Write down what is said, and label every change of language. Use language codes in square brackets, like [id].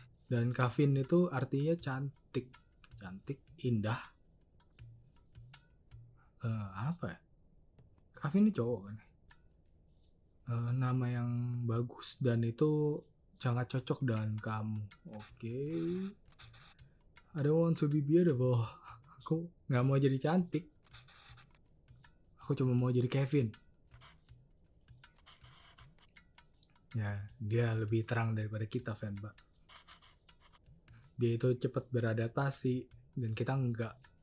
[id] Dan Kevin itu artinya cantik, cantik, indah. Apa? Kevin ini cowok kan? Nama yang bagus dan itu sangat cocok dengan kamu. Oke. [en] Okay. I don't want to be beautiful. [id] Aku nggak mau jadi cantik. Aku cuma mau jadi Kevin. Ya, dia lebih terang daripada kita, Van, Pak. Dia itu cepat beradaptasi dan kita enggak.